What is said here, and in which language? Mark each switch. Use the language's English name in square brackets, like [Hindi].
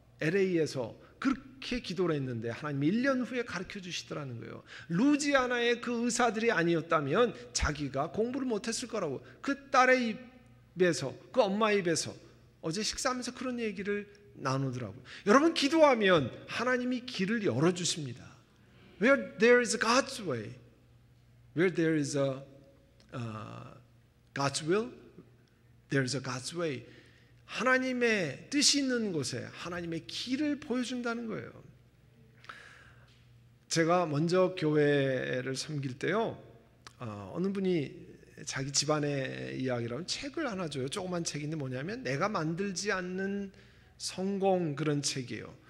[Korean] LA에서 그렇게 기도를 했는데 하나님 1년 후에 가르쳐 주시더라는 거예요. 루지아나의 그 의사들이 아니었다면 자기가 공부를 못했을 거라고. 그 딸의 입에서, 그 엄마 입에서 어제 식사하면서 그런 얘기를 나누더라고요. 여러분 기도하면 하나님이 길을 열어주십니다. [English] Where there is God's way, where there is a God's will, there is a God's way. [Korean] 하나님의 뜻이 있는 곳에 하나님의 길을 보여준다는 거예요. 제가 먼저 교회를 섬길 때요, 어느 분이 자기 집안의 이야기라면 책을 하나 줘요. 조그만 책인데 뭐냐면 내가 만들지 않는 성공, 그런 책이에요.